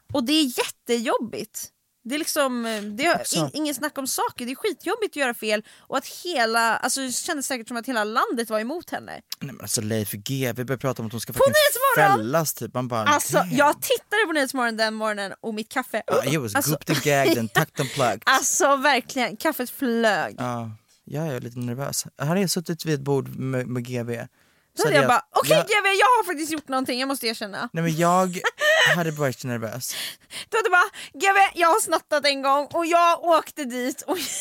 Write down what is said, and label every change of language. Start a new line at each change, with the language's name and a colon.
Swedish: Och det är jättejobbigt. Det är liksom, det är ingen snack om saker. Det är skitjobbigt att göra fel. Och att hela, alltså det kändes säkert som att hela landet var emot henne. Nej, men alltså Leif G, vi börjar prata om att hon ska faktiskt fällas typ. Man bara, alltså damn. Jag tittade på Nyhetsmorgon den morgonen och mitt kaffe.
English: It was alltså, gooped and gagged and tucked and plucked.
Swedish: Alltså verkligen, kaffet flög. Ja, jag är lite nervös. Jag hade suttit vid ett bord med GV. Så jag bara, okej, jag har faktiskt gjort någonting, jag måste erkänna. Nej, men jag hade varit nervös. Då hade bara, GV, jag har snattat en gång och jag åkte dit. Och...